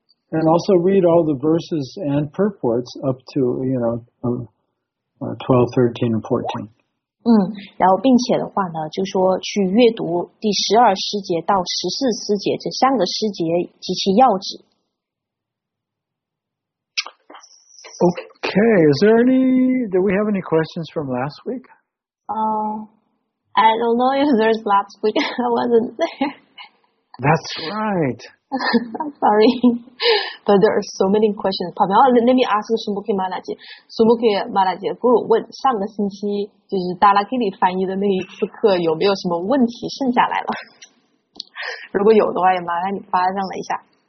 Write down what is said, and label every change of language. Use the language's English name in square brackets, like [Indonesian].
[English] And also read all the verses and purports up to, you know, 12, 13, and 14. [Chinese] 然后并且的话呢，就说去阅读第十二师节到十四师节这三个师节及其要旨。 [English] Okay, is there any, do we have any questions from last week? I don't know if there's last week, I wasn't there. That's right. Sorry, but there are so many questions. [Chinese] 旁边， [English] let me ask Sumukhi Maharaji. [Chinese] Sumukhi Maharaji, Guru 问上个星期就是 Dalakili 翻译的那一次课有没有什么问题剩下来了？如果有的话，也麻烦你发上来一下。